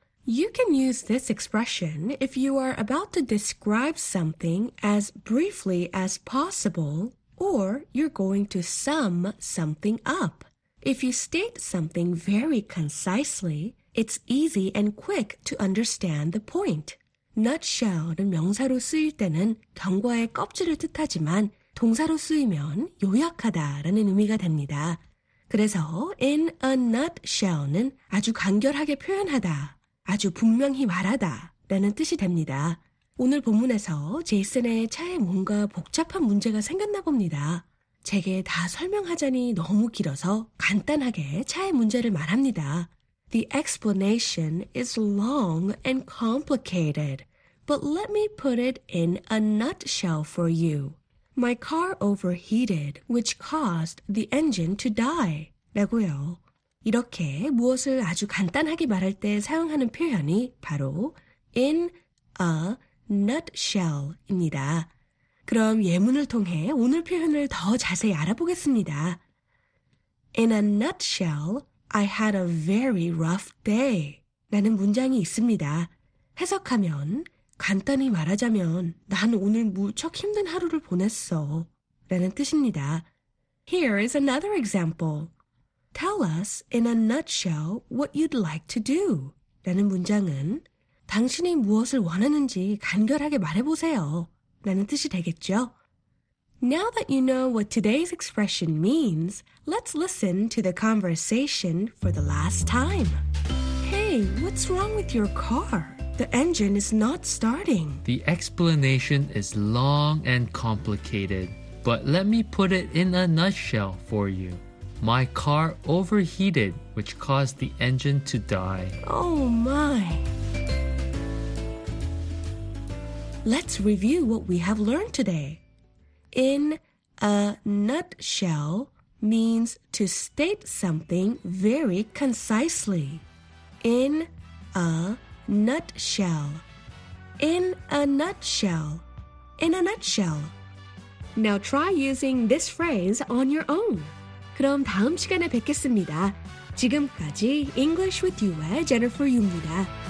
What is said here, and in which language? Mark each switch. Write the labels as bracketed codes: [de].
[en] You can use this expression if you are about to describe something as briefly as possible or you're going to sum something up. If you state something very concisely, it's easy and quick to understand the point. [ko] Nutshell은 명사로 쓰일 때는 경과의 껍질을 뜻하지만 동사로 쓰이면 요약하다라는 의미가 됩니다. 그래서 in a nutshell는 아주 간결하게 표현하다. 아주 분명히 말하다 라는 뜻이 됩니다. 오늘 본문에서 제이슨의 차에 뭔가 복잡한 문제가 생겼나 봅니다. 제게 다 설명하자니 너무 길어서 간단하게 차의 문제를 말합니다. [en] The explanation is long and complicated, but let me put it in a nutshell for you. My car overheated, which caused the engine to die. [ko] 라고요. 이렇게 무엇을 아주 간단하게 말할 때 사용하는 표현이 바로 in a nutshell입니다. 그럼 예문을 통해 오늘 표현을 더 자세히 알아보겠습니다. [en] In a nutshell, I had a very rough day. [ko] 라는 문장이 있습니다. 해석하면 간단히 말하자면 난 오늘 무척 힘든 하루를 보냈어 라는 뜻입니다. [en] Here is another example. Tell us, in a nutshell, what you'd like to do. [ko] 라는 문장은 당신이 무엇을 원하는지 간결하게 말해보세요. 라는 뜻이 되겠죠? [en] Now that you know what today's expression means, let's listen to the conversation for the last time. Hey, what's wrong with your car? The engine is not starting. The explanation is long and complicated, but let me put it in a nutshell for you. My car overheated, which caused the engine to die. Oh my! Let's review what we have learned today. In a nutshell means to state something very concisely. In a nutshell. In a nutshell. In a nutshell. Now try using this phrase on your own. [ko] 그럼 다음 시간에 뵙겠습니다. 지금까지 English with You의 Jennifer Yu입니다.